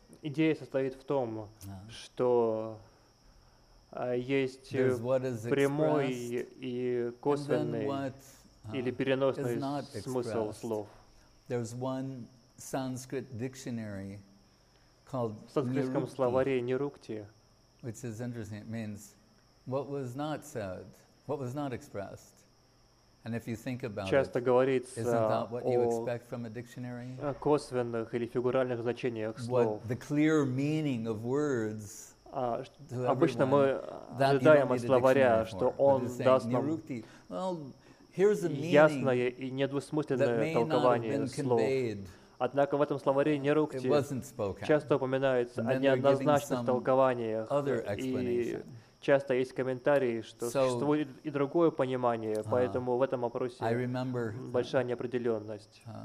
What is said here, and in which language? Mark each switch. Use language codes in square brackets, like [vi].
[ru] Идея состоит в том, что есть прямой и косвенный или переносный смысл слов. [en] There's one Sanskrit dictionary called [ru] в санскритском словаре Нирукти. [en] Which is interesting. It means what was not said, what was not expressed. And if you think about [ru] часто [en] it, [ru] говорится, [en] isn't that what you expect from a dictionary? [ru] О косвенных или фигуральных значениях слов. [en] What the clear meaning of words? [ru] Обычно мы ожидаем от словаря, что он даст нам ясное и недвусмысленное толкование слов. Однако в этом словаре Нирукти часто упоминается о неоднозначных толкованиях, и часто есть комментарии, что существует и другое понимание, поэтому в этом вопросе большая неопределенность.